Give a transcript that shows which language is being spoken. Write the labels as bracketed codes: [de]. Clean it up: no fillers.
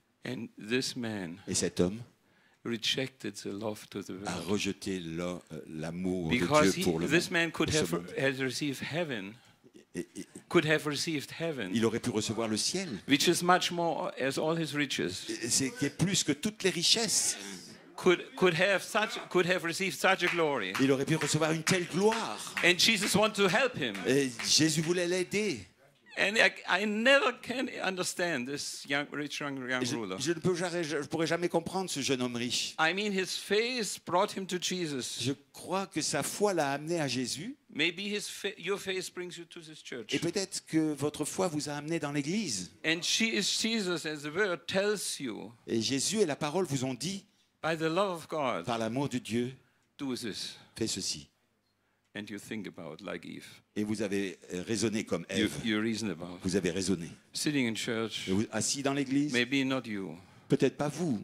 [en] And this man. [fr] Et cet homme. [en] Rejected the love to the world. [fr] A rejeté l'amour de Dieu pour le monde. [en] This man could have had received heaven. Could have received heaven. [fr] Il aurait pu recevoir le ciel. [en] Which is much more as all his riches. [fr] C'est qui est plus que toutes les richesses. [en] Could have received such a glory. [fr] Il aurait pu recevoir une telle gloire. [en] And Jesus wanted to help him. [fr] Et Jésus voulait l'aider. [en] And I never can understand this young, rich young ruler. [fr] Je pourrais jamais comprendre ce jeune homme riche. [en] I mean, his faith brought him to Jesus. [fr] Je crois que sa foi l'a amené à Jésus. [en] Maybe his your faith brings you to this church. [fr] Et peut-être que votre foi vous a amené dans l'église. [en] And she is Jesus, as the word tells you. [fr] Et Jésus et la parole vous ont dit. [en] By the love of God. [fr] Par l'amour de Dieu. [en] Do this. [fr] Fais ceci. [en] And you think about like Eve. [fr] Et vous avez raisonné comme Ève. [en] You reason about. [fr] Vous avez raisonné. [en] Sitting in church. [fr] Assis dans l'église. [en] Maybe not you. [fr] Peut-être pas vous.